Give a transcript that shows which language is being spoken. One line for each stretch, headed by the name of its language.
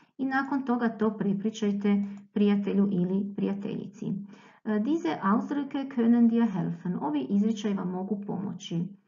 Croatian: I nakon toga to prepričajte prijatelju ili prijateljici.
German: Diese Ausdrücke können dir helfen.
Croatian: Ovi izričaji vam mogu pomoći.